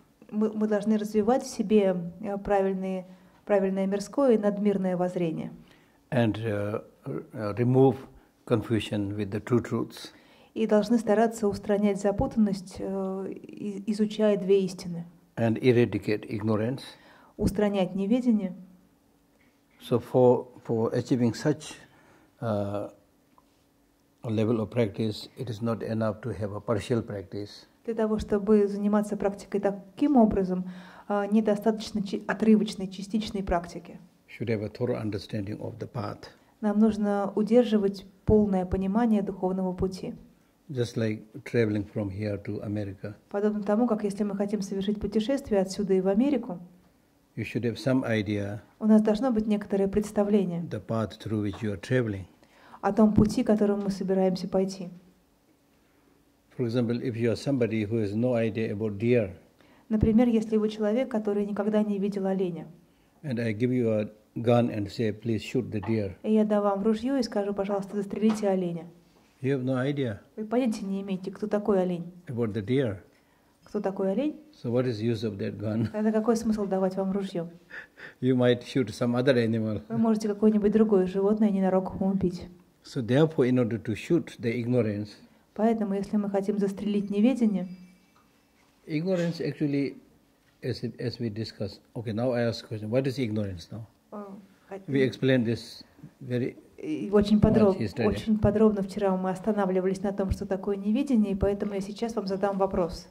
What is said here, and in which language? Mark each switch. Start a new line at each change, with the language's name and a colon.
Russian: Мы должны развивать в себе правильное мирское и надмирное воззрение.
English: And remove confusion with the true truths.
Russian: И должны стараться устранять запутанность, изучая две истины.
English: And eradicate ignorance.
Russian: Устранять неведение.
English: So for achieving such a level of practice, it is not enough to have a partial practice.
Russian: Для того, чтобы заниматься практикой таким образом, недостаточно отрывочной, частичной практики.
English: Should have a thorough understanding of the path.
Russian: Нам нужно удерживать полное понимание духовного пути.
English: Just like traveling from here to America.
Russian: Подобно тому, как если мы хотим совершить путешествие отсюда и в Америку.
English: You should have some idea.
Russian: У нас должно быть некоторое представление.
English: The path through which you are traveling.
Russian: О том пути, которым мы собираемся пойти.
English: For example, if you are somebody who has no idea about deer.
Russian: Например, если вы человек, который никогда не видел оленя.
English: And I give you a gun and say, please shoot the deer.
Russian: И я дам вам ружье и скажу, пожалуйста, застрелите оленя.
English: You have no idea.
Russian: Вы понятия не имеете, кто такой олень.
English: About the deer.
Russian: Кто такой олень?
English: So what is use of that gun?
Russian: Тогда какой смысл давать вам ружье?
English: You might shoot some other animal.
Russian: Вы можете какое-нибудь другое животное ненароком убить.
English: So therefore, in order to shoot the ignorance.
Russian: Поэтому, если мы хотим застрелить неведение.
English: Ignorance actually, as we discuss. Okay, now I ask a question. What is ignorance now? We explain this very.
Russian: Очень подробно вчера мы останавливались на том, что такое неведение, и поэтому я сейчас вам задам вопрос.